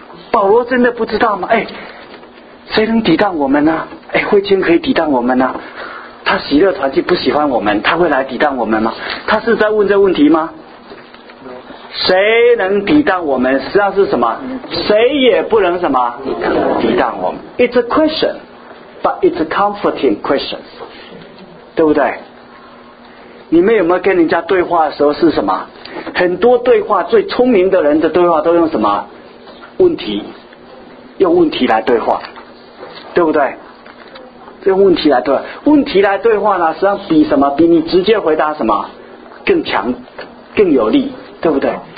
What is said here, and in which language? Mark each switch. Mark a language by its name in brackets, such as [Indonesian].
[Chinese] 保罗真的不知道吗？哎，谁能抵挡我们呢？哎，慧卿可以抵挡我们呢？他喜乐团体不喜欢我们，他会来抵挡我们吗？他是在问这问题吗？谁能抵挡我们？实际上是什么？谁也不能什么抵挡我们。 [English] It's a question, but it's a comforting question, [Chinese] 对不对？你们有没有跟人家对话的时候是什么？很多对话最聪明的人的对话都用什么？问题，用问题来对话，对不对？用问题来对话，问题来对话呢，实际上比什么？比你直接回答什么更强、更有力，对不对？